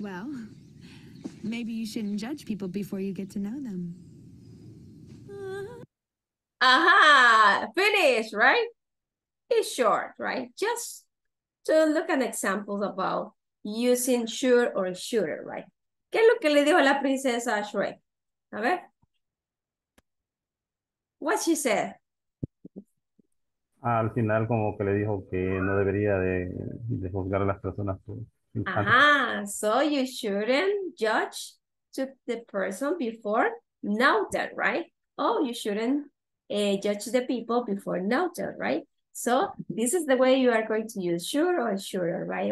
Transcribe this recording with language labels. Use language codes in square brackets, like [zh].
[en] Well, maybe you shouldn't judge people before you get to know them. Aha! Finish, right? It's short, right? Just to look at examples about using should or shouldn't, right? [es] ¿Qué es lo que le dijo la princesa a Shrek? A ver. [en] What she said? [es] Al final como que le dijo que no debería de juzgar a las personas. [en] Ajá, so you shouldn't judge to the person before know that, right? Oh, you shouldn't judge the people before know that, right? So this is the way you are going to use sure or sure, right?